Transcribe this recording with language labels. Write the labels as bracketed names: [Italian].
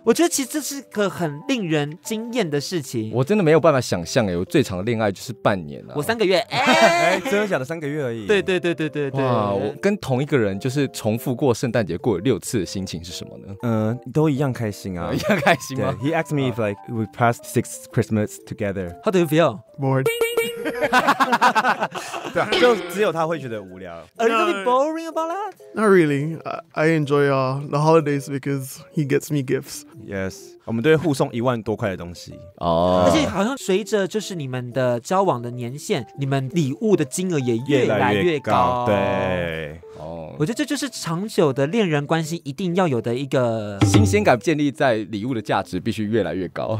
[Chinese] 我觉得其实这是个很令人惊艳的事情。我真的没有办法想象，我最长的恋爱就是半年了。我3个月。真的假的？3个月而已。对对对对对对。哇，我跟同一个人就是重复过圣诞节过了6次的心情是什么呢？都一样开心啊。一样开心吗？对。 [English] He asked me if like we passed 6 Christmas together. How do you feel? Bored. [Chinese] 对啊，就只有他会觉得无聊。 [English] Are you really boring about that? Not really. I enjoy the holidays because he gets me gifts. Yes. [Chinese] 我们都会互送10,000多块的东西哦。而且好像随着就是你们的交往的年限，你们礼物的金额也越来越高。对。我觉得这就是长久的恋人关系一定要有的一个新鲜感，建立在礼物的价值必须越来越高，